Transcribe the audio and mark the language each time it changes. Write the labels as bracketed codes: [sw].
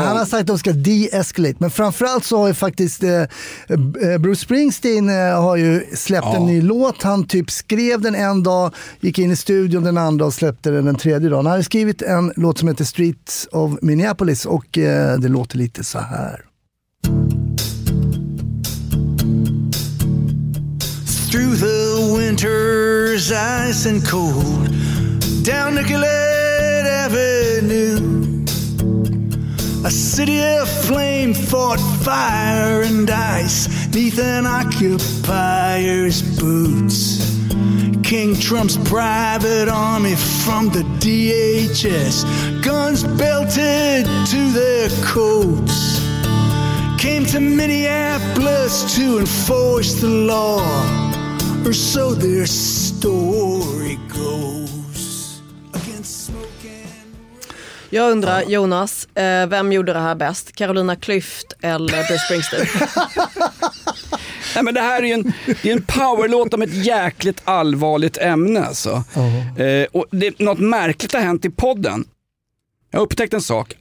[sv] Han har sagt att de ska de-escalate, men framförallt så har ju faktiskt Bruce Springsteen har ju släppt en ny låt. Han typ skrev den en dag, gick in i studion den andra och släppte den tredje dagen. Han har skrivit en låt som heter Streets of Minneapolis och det låter lite så här. [en] Through the winter's ice and cold, down Nicollet Avenue, a city of flame fought fire and ice, neath an occupier's boots. King Trump's private army from the DHS, guns belted to their coats, came to Minneapolis to enforce the law, or so their story goes. Against smoke and... [sv] Jag undrar, Jonas, vem gjorde det här bäst? Carolina Klyft eller Bruce Springsteen? Nej, men det här är ju en powerlåt om ett jäkligt allvarligt ämne. Alltså. Uh-huh. Och det, något märkligt har hänt i podden. Jag har upptäckt en sak.